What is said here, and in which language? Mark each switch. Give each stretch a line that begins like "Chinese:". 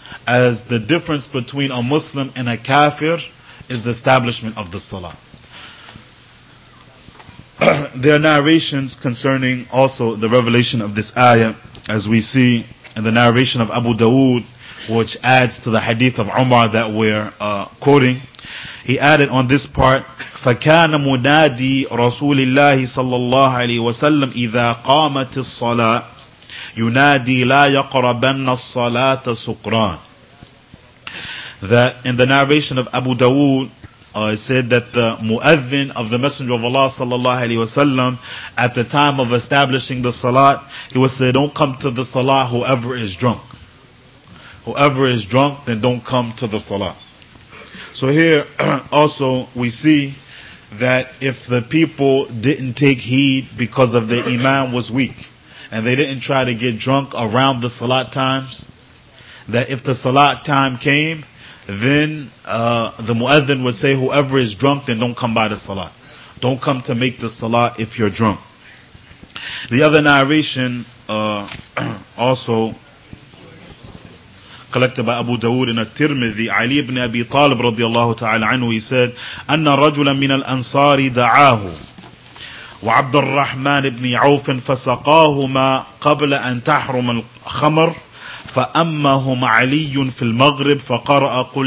English: As the difference between a Muslim and a kafir is the establishment of the salah. There are narrations concerning also the revelation of this ayah, as we see in the narration of Abu Dawood, which adds to the hadith of Umar that we're quoting. He added on this part,
Arabic: فَكَانَ مُنَادِي رَسُولِ اللَّهِ صَلَّى اللَّهُ عَلَيْهِ وَسَلَّمَ إِذَا قَامَتِ الصَّلَاةِ يُنَادِي لَا يَقْرَبَنَّ الصَّلَاةَ سُكْرَانَ.
English: That in the narration of Abu Dawood, it said that the muadhin of the Messenger of Allah sallallahu alayhi wasallam, at the time of establishing the salat, he would say, don't come to the salat whoever is drunk. Whoever is drunk, then don't come to the salah. So here also we see that if the people didn't take heed because of the imam was weak, and they didn't try to get drunk around the salah times, that if the salah time came, then the muezzin would say, whoever is drunk, then don't come by the salah. Don't come to make the salah if you're drunk. The other narration also, collected by Abu Dawood in At-Tirmidhi, Ali ibn Abi Talib radiyallahu ta'ala anhu, he said,
Arabic: أَنَّ رَجُلًا مِنَ الْأَنصَارِ دَعَاهُ وَعَبْدَ الرَّحْمَنِ ابْنِ عَوْفٍ فَسَقَاهُمَا قَبْلَ أَنْ تَحْرُمَ الْخَمَرِ فَأَمَّهُمْ عَلِيٌّ فِي الْمَغْرِبِ فَقَرَأَ